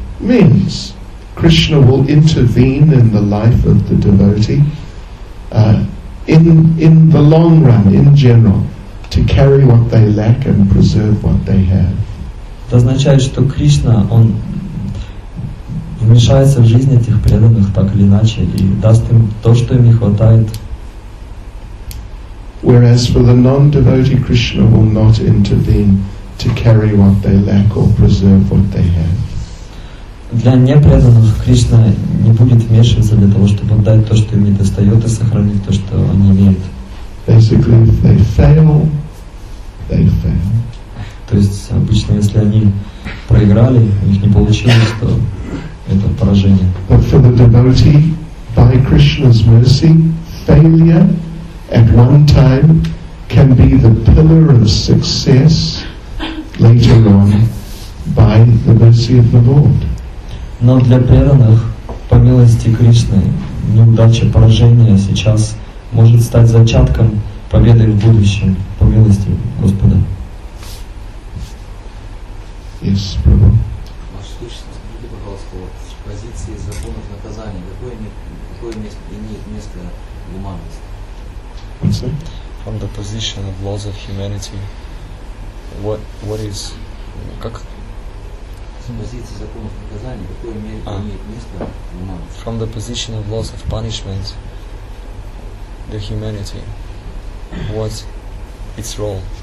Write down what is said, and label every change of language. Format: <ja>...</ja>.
<en>Means Krishna will intervene in the life of the devotee in the long run, in general, to carry what they lack and preserve what they have.</en> <ru>Это означает, что Кришна, он вмешается в жизнь этих преданных так или иначе и даст им то, что им не хватает.</ru> <en>Whereas for the non-devotee, Krishna will not intervene to carry what they lack or preserve what they have.</en> <ru>для непреданных Кришна не будет вмешиваться для того, чтобы отдать то, что им не достает, и сохранить то, что они имеют.</ru> <en>Basically, if they fail, they fail.</en> <ru>То есть обычно, если они проиграли, у них не получилось, то это поражение.</ru> <en>But for the devotee, by Krishna's mercy, failure at one time can be the pillar of success later on by the mercy of the Lord.</en> <ru>Но для преданных, по милости Кришны, неудача, поражение сейчас может стать зачатком победы в будущем, по милости Господа.</ru> <en>Yes, Prabhu.</en> <ru>Ваше Кришна, скажите, пожалуйста, вот, с позиции законов наказания, какое имеет место гуманность?</ru> <en>From the position of laws of humanity, what is,</en> <ru>как?</ru> <en>From the position of laws of punishment, the humanity, what its role?</en>